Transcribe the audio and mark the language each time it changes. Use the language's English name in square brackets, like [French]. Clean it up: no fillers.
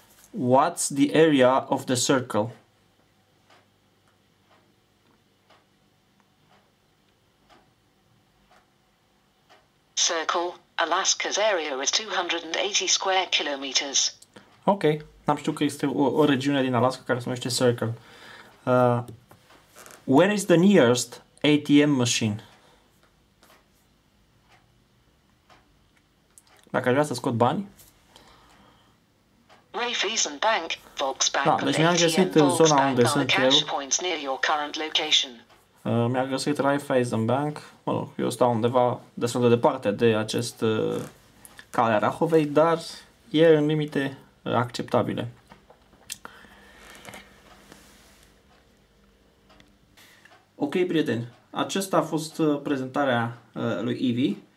[English] What's the area of the circle? Circle, a Alaska's area is 280 square kilometers. [Romanian] Ok, n-am știut că este o regiune din Alaska care se numește Circle. [English] Where is the nearest ATM machine? [Romanian] Dacă aș vrea să scot bani? [English] Rafe's and Bank, Volksbank, [Romanian] da, deci mi-am găsit ATM, zona Volksbank unde sunt eu. [English] Near your current location. [Romanian] Mi-am găsit Raiffeisen Bank. Mă rog, eu stau undeva destul de departe de acest cale a Rahovei, dar e în limite acceptabile. Ok, prieteni, acesta a fost prezentarea lui Ivi.